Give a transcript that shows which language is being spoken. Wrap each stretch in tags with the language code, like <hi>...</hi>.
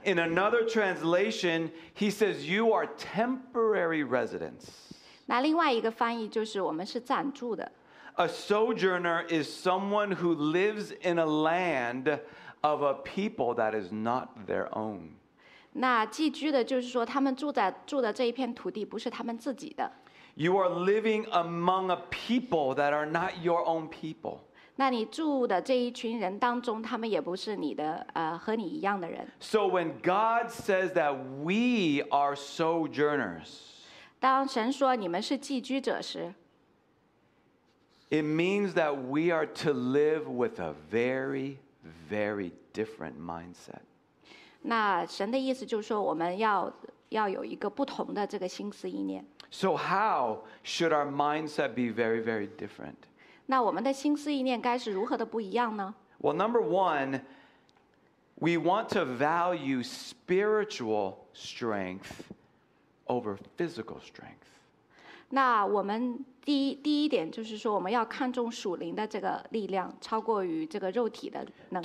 <en>In another translation, he says you are temporary residents.</en> <zh>那另外一个翻译就是我们是暂住的。</zh> <en>A sojourner is someone who lives in a land of a people that is not their own.</en> <zh>那寄居的就是说他们住的这一片土地不是他们自己的。</zh> <en>You are living among a people that are not your own people.</en> <zh>那你住的这一群人当中，他们也不是你的，和你一样的人。</zh> <en>So when God says that we are sojourners,</en> <zh>当神说你们是寄居者时</zh> <en>，it means that we are to live with a very, very different mindset.</en> <zh>那神的意思就是说，我们要有一个不同的这个心思意念。</zh> <en>So how should our mindset be very, very different?</en> <zh>那我们的心思意念该是如何的不一样呢</zh> <en>？Well, number one, we want to value spiritual strength over physical strength.</en> <zh>那我们第一点就是说，我们要看重属灵的这个力量，超过于这个肉体的能力。</zh>